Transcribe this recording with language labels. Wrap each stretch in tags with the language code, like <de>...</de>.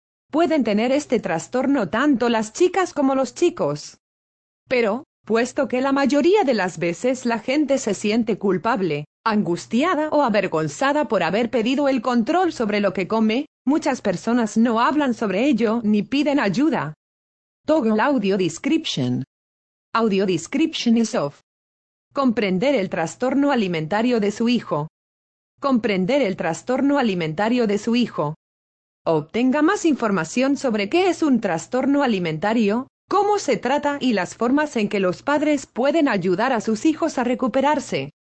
<es>Pueden tener este trastorno tanto las chicas como los chicos. Pero, puesto que la mayoría de las veces la gente se siente culpable, angustiada o avergonzada por haber pedido el control sobre lo que come, muchas personas no hablan sobre ello ni piden ayuda.</es> <en>Toggle audio description. Audio description is off.</en> <es>Comprender el trastorno alimentario de su hijo. Comprender el trastorno alimentario de su hijo. Obtenga más información sobre qué es un trastorno alimentario, cómo se trata y las formas en que los padres pueden ayudar a sus hijos a recuperarse.</es>